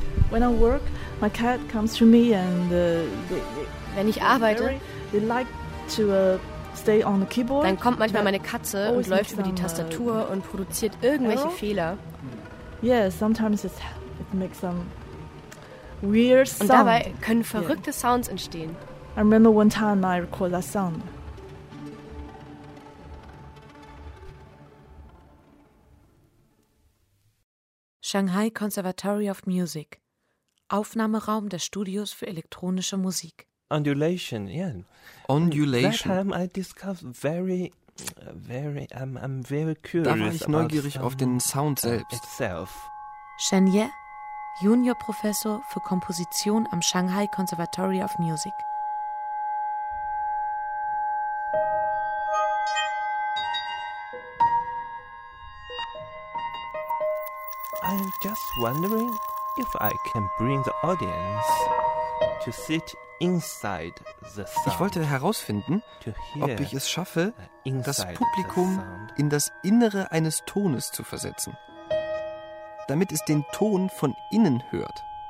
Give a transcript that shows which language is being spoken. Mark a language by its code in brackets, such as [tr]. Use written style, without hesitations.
[en] When I work, my cat comes to me and [de] wenn ich arbeite, [en] they like to stay on the keyboard. [de] Dann kommt manchmal meine Katze und läuft über die Tastatur und produziert irgendwelche Fehler. [en] Yeah, sometimes it makes some. Weird sound. [de] Und dabei können verrückte Sounds entstehen. [en] I remember one time I recorded that sound. [de] Shanghai Conservatory of Music. Aufnahmeraum des Studios für elektronische Musik. [en] Undulation, yeah. Undulation. That time I discovered I'm very curious. [de] Da war ich neugierig auf den Sound selbst. [en] Itself. [de] Shen Ye, Juniorprofessor für Komposition am Shanghai Conservatory of Music. [en] I'm just wondering if I can bring the audience to sit inside the sound. [de] Ich wollte herausfinden, ob ich es schaffe, das Publikum in das Innere eines Tones zu versetzen, damit es den Ton von innen hört.